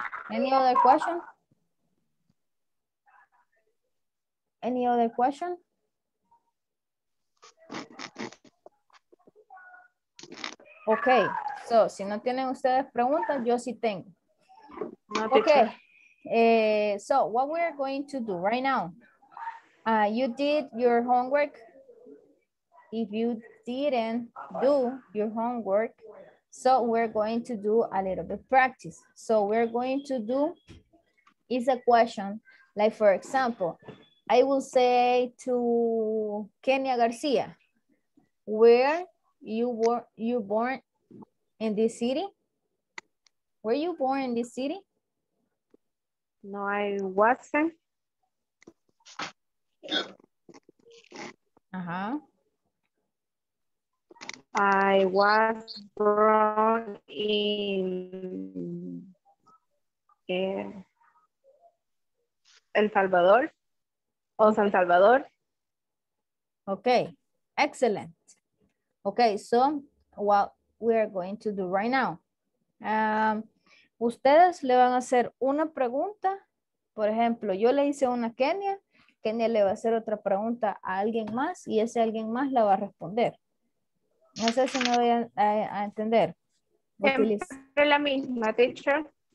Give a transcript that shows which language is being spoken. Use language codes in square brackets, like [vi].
[en] Any other question? Any other question? Ok, so, [es] si no tienen ustedes preguntas, yo sí tengo. [en] Ok, so, what we are going to do right now? You did your homework. If you didn't do your homework, so we're going to do a little bit practice. So, we're going to do is a question, like for example, I will say to Kenya Garcia, where you born in this city? Were you born in this city? No, I wasn't. I was born in El Salvador. O San Salvador. Okay, excellent. Okay, so what we are going to do right now. [es] Ustedes le van a hacer una pregunta. Por ejemplo, yo le hice una a Kenia. Kenia le va a hacer otra pregunta a alguien más y ese alguien más la va a responder. No sé si me voy a entender. ¿De la misma, teacher?